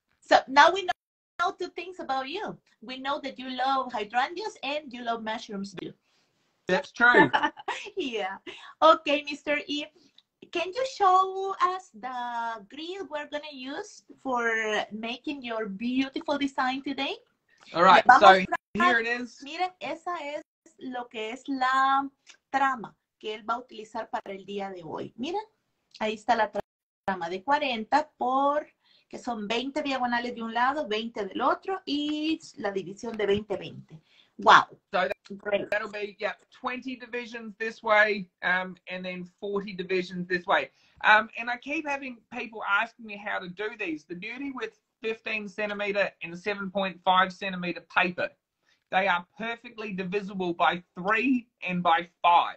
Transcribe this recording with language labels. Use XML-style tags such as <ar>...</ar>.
<en>So now we know two things about you. We know that you love hydrangeas and you love mushrooms too. That's true. Yeah. Okay, Mr. E, can you show us the grill we're gonna use for making your beautiful design today? All right, so here it is.</en> <es>Miren, esa es lo que es la trama que él va a utilizar para el día de hoy. Miren, ahí está la trama de 40 por que son 20 diagonales de un lado, 20 del otro, y la división de 20-20.</es> <en>Wow. So that'll be, 20 divisions this way, and then 40 divisions this way. And I keep having people asking me how to do these. The beauty with 15 centimeter and 7.5 centimeter paper, they are perfectly divisible by 3 and by 5.</en>